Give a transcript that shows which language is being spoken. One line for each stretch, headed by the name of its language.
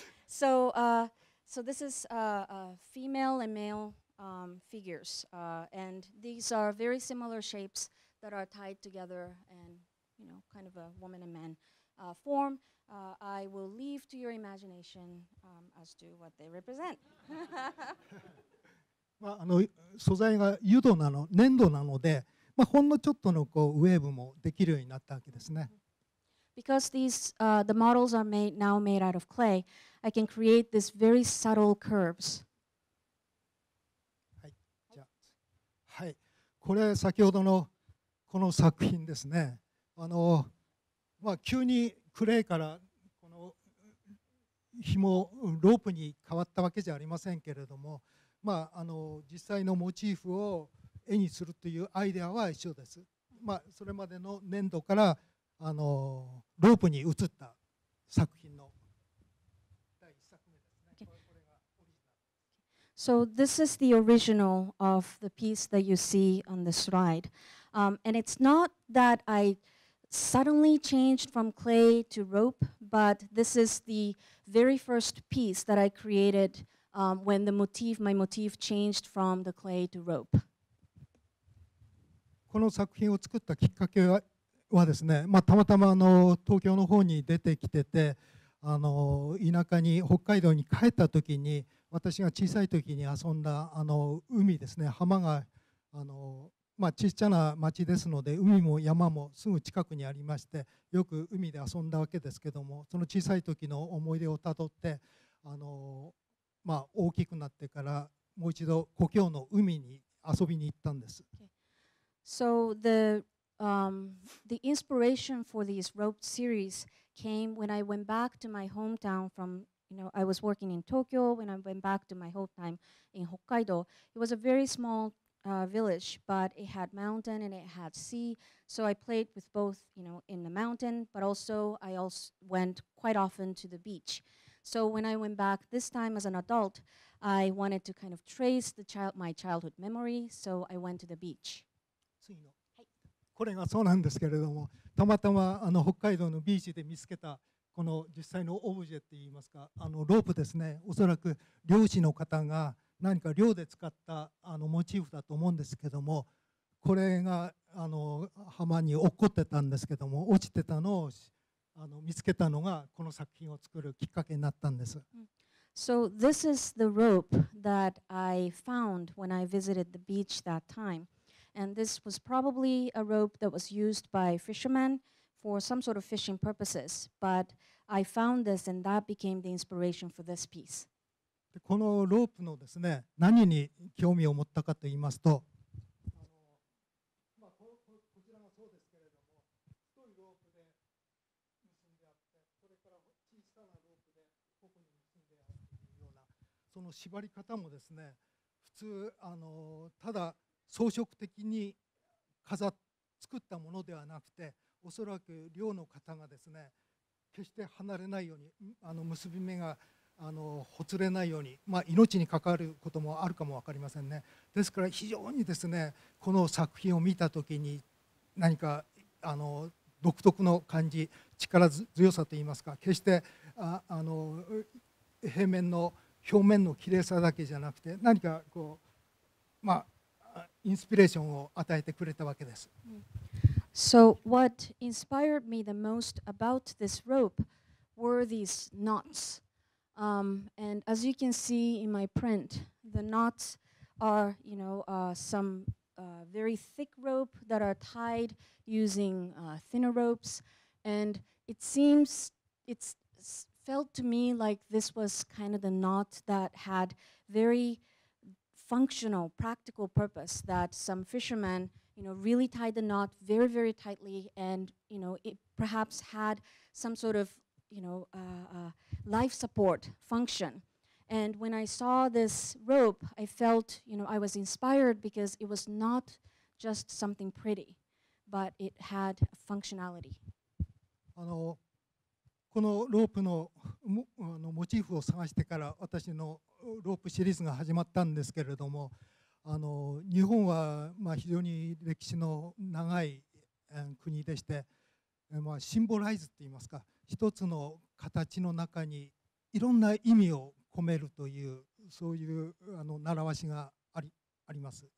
English: So this is female and male figures. And these are very similar shapes that are tied together and, you know, kind of a woman and man form. I will leave to your imagination as to what they represent.
Japanese: まあ、素材が油土なの、粘土なので、まあ、ほんのちょっとのこうウェーブもできるようになったわけですね。
English: Because these, the models are made, now made out of clay, I can create this very subtle curves.
Japanese: はい、じゃあ、はい、これ先ほどのこの作品ですね。まあ、急にクレーからこの紐、ロープに変わったわけじゃありませんけれども、まあ、実際のモチーフを絵にするというアイデアは一緒です。まあ、それまでの粘土からロープに移った作品の第一作目ですね。これがオリジナル。
English: So this is the original of the piece that you see on the slide. And it's not that I suddenly changed from clay to rope, but this is the very first piece that I created. When the motif, my motif changed from the clay to rope.
Japanese: この作品を作ったきっかけはですね、まあ、たまたま東京の方に出てきてて、田舎に北海道に帰った時に、私が小さい時に遊んだ海ですね、浜があの、まあ、ちっちゃな町ですので海も山もすぐ近くにありましてよく海で遊んだわけですけどもその小さい時の思い出をたどってあの、まあ、大きくなってからもう一度故郷の海に遊びに行ったんです。
English: So the inspiration for this rope series came when I went back to my hometown from, you know, I was working in Tokyo when I went back to my hometown in Hokkaido. It was a very small village, but it had mountain and it had sea. So I played with both, you know, in the mountain, but also I also went quite often to the beach. So when I went back this time as an adult, I wanted to kind of trace the child, my childhood memory, so I went to the beach.
Japanese: これがそうなんですけれども、たまたまあの北海道のビーチで見つけたこの実際のオブジェといいますか、あのロープですね。おそらく漁師の方が何か漁で使ったあのモチーフだと思うんですけども、これがあの浜に落っこってたんですけども、落ちてたのをあの見つけたのがこの作品を作るきっかけになったんです。
English: So this is the rope that I found when I visited the beach that time. And this was probably a rope that was used by fishermen for some sort of fishing purposes. But I found this, and that became the inspiration for this piece.
Japanese: このロープのですね、何に興味を持ったかと言いますと、あの、まあ、こちらもそうですけれども、太いロープで結んであって、それから小さなロープでここに結んであるというような、その縛り方もですね、普通、あの、ただ、装飾的に飾っ作ったものではなくて、おそらく漁の方がですね、決して離れないように、あの結び目があのほつれないように、まあ、命に関わることもあるかも分かりませんね。ですから非常にですね、この作品を見たときに何かあの独特の感じ、力強さといいますか、決して あの平面の表面の綺麗さだけじゃなくて、何かこう、まあインスピレーションを与えてくれたわけです。
English: So what inspired me the most about this rope were these knots. And as you can see in my print, the knots are, you know, some very thick rope that are tied using thinner ropes. And it seems it felt to me like this was kind of the knot that had very functional, practical purpose that some fishermen, you know, really tied the knot very, very tightly, and you know, it perhaps had some sort of, you know, life support function. And when I saw this rope, I felt, you know, I was inspired because it was not just something pretty, but it had functionality.
Japanese: あの、このロープの、あの、モチーフを探してから私のロープシリーズが始まったんですけれども、あの日本はまあ非常に歴史の長い国でして、まあシンボライズといいますか、一つの形の中にいろんな意味を込めるという、そういうあの習わしがあります。